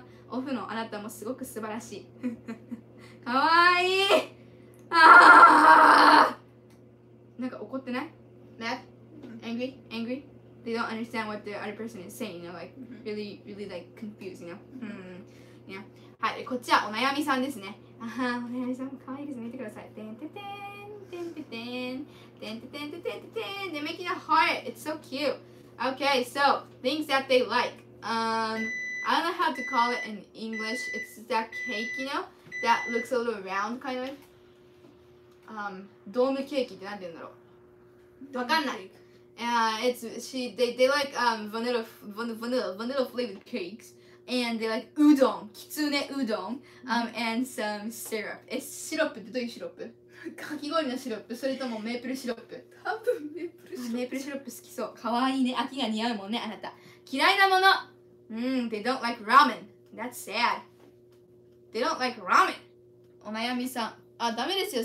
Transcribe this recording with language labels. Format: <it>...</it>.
<ja>オフのあなたもすごく素晴らしい。かわいい、なんか怒ってない Mad?</ja> <en>Angry? Angry? They don't understand what the other person is saying, you know, like, really, really, like, confused, you know? you know?</en> <ja>はい、こっちはお悩みさんですね。お悩みさんもかわいいですね。見てください。てんててん、てんててん、てんててんててんててん、で、</ja> <en>making a heart! It's so cute! Okay, so things that they like. I don't know how to call it in English. It's that cake, you know, that looks a little round, kind of. Dome cake.</en> <ja>ってなんて言うんだろう。わかんない。</ja> <en>They like vanilla flavored cakes, and they like udon, kitsune udon, and some syrup.</en> <ja>シロップってどういうシロップ？かき氷のシロップ、それともメープルシロップ。多分メープルシロップ。メープルシロップ好きそう。かわいいね。秋が似合うもんね、あなた。嫌いなもの。</ja> <en>They don't like ramen. That's sad. They don't like ramen.</en> <ja>お悩みさん。あ、ダメですよ。</ja>